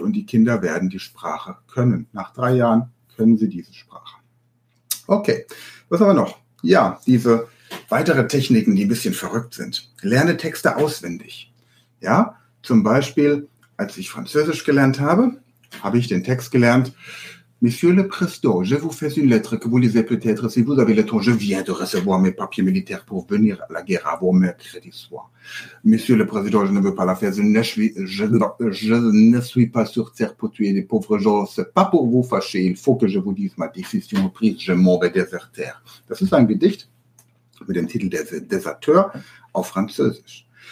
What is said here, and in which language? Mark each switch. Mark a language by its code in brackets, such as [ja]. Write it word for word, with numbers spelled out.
[de] Und die Kinder werden die Sprache können. Nach drei Jahren können sie diese Sprache. Okay, was haben wir noch? Ja, diese weitere Techniken, die ein bisschen verrückt sind. Lerne Texte auswendig. Ja, zum Beispiel, als ich Französisch gelernt habe, habe ich den Text gelernt. [fr] Monsieur le Président, je vous fais une lettre que vous lisez peut-être si vous avez le temps. Je viens de recevoir mes papiers militaires pour venir à la guerre avant mercredi soir. Monsieur le Président, je ne veux pas la faire. Je ne suis, je, je ne suis pas sur terre pour tuer les pauvres gens. C'est pas pour vous fâcher. Il faut que je vous dise ma décision prise. Je m'en vais déserter. [de] Das ist ein Gedicht mit dem Titel der Deserteur auf Französisch.